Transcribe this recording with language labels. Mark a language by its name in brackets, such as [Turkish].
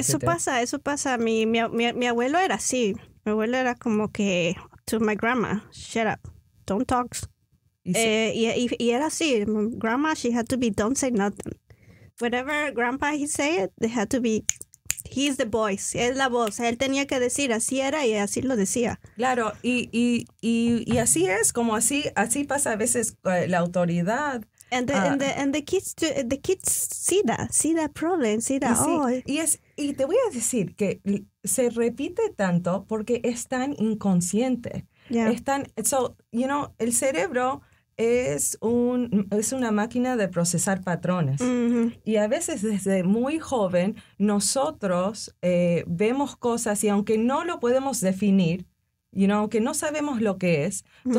[English] to do. [Spanish] Eso pasa. Mi abuelo era así. Mi abuelo era como que, [English] to my grandma, shut up, don't talk. [Spanish] Y era así. [English] Grandma, she had to be, don't say nothing. Whatever grandpa he said, they had to be, he's the voice. [Spanish] Es la voz. Él tenía que decir, así era y así lo decía. Claro, y así es, como así pasa a veces la autoridad. [English] And the kids see that problem, see that, [Spanish] sí, oh. Yes, y te voy a decir que se repite tanto porque es tan inconsciente. [English] Yeah. So, you know, [Spanish] el cerebro es una máquina de procesar patrones. Mm-hmm. Y a veces desde muy joven nosotros vemos cosas y aunque no lo podemos definir, [English] you know, [Spanish] aunque no sabemos lo que es, mm-hmm.